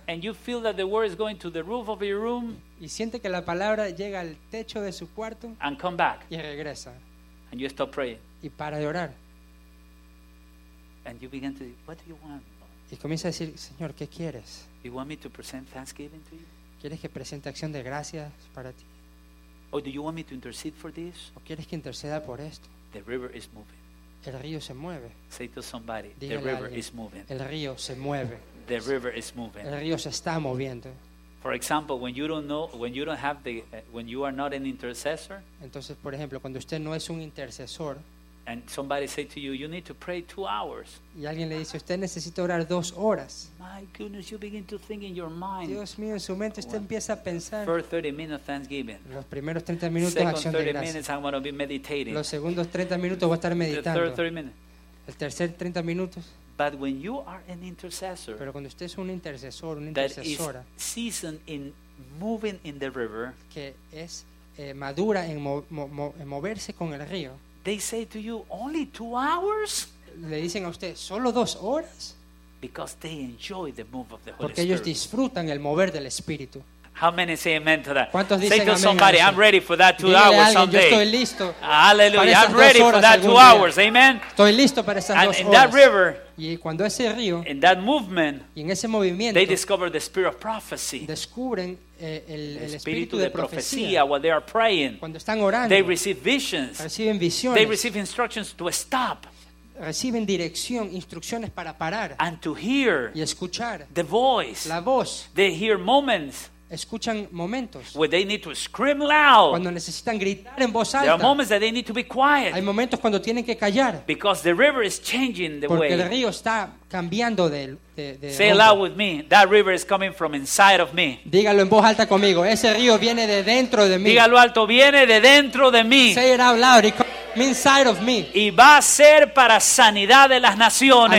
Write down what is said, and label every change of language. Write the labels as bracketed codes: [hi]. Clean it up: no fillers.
[en] And you feel that the word is going to the roof of your room. [es] Y siente que la palabra llega al techo de su cuarto. [en] And come back. [es] Y regresa. [en] And you stop praying. [es] Y para de orar. [en] And you begin to say, what do you want? [es] Y comienza a decir, Señor, ¿qué quieres? [en] You want me to present thanksgiving to you? [es] ¿Quieres que presente acción de gracias para ti? [en] Or do you want me to intercede for this? [es] ¿O quieres que interceda por esto? [en] The river is moving. [es] El río se mueve. [en] Say to somebody, the river is moving. [es] El río se mueve. [en] The river is moving. [es] El río se está moviendo. [en] For example, when you don't know, when you don't have the, when you are not an intercessor. [es] Entonces, por ejemplo, cuando usted no es un intercesor. [en] And somebody say to you, you need to pray 2 hours. [es] Y alguien le dice, usted necesita orar 2 horas. [en] My goodness, you begin to think in your mind. [es] Dios mío, en su mente usted empieza a pensar. [en] First 30 minutes thanksgiving. [es] Los primeros 30 minutos acción de gracias. [en] Second 30 minutes I'm going to be meditating. [es] Los segundos 30 minutos voy a estar meditando. [en] The third 30 minutes. [es] El tercer 30 minutos. [en] But when you are an intercessor, [es] pero cuando usted es un intercesor, una intercesora, [en] that is seasoned in moving in the river, [es] que es madura en moverse con el río. [en] They say to you, only 2 hours? [es] Le dicen a usted, ¿solo 2 horas? [en] Because they enjoy the move of the Holy [es] Porque ellos [en] Spirit. [es] Disfrutan el mover del Espíritu. [en] How many say amen to that? [es] ¿Cuántos [en] say [es] dicen [en] to somebody, I'm ready for that 2 hours [es] alguien, [en] someday. [es] Yo estoy listo. [en] Hallelujah, I'm ready for that 2 hours, amen? [es] Estoy listo para esas [en] and [es] dos [en] in [es] horas. [en] That river, [es] y cuando ese río, [en] in that movement, [es] y en ese movimiento, [en] they discover the spirit of prophecy. [es] Descubren el espíritu de [en] profecía while they are praying. [es] Cuando están orando, [en] they receive visions. [es] Reciben visiones. [en] They receive instructions to stop. [es] Reciben dirección, instrucciones para parar. [en] And to hear [es] y escuchar [en] the voice. [es] La voz. [en] They hear moments. [es] Escuchan momentos [en] where they need to scream loud. [es] Cuando necesitan gritar en voz alta. [en] There are moments that they need to be quiet. [es] Hay momentos cuando tienen que callar. [en] Because the river is changing the [es] porque El río está cambiando de [en] say aloud with me, that river is coming from inside of me. [es] Dígalo en voz alta conmigo, ese río viene de dentro de mí. Dígalo alto, viene de dentro de mí. [en] Say it out loud, it comes from inside of me. [es] Y va a ser para sanidad de las naciones.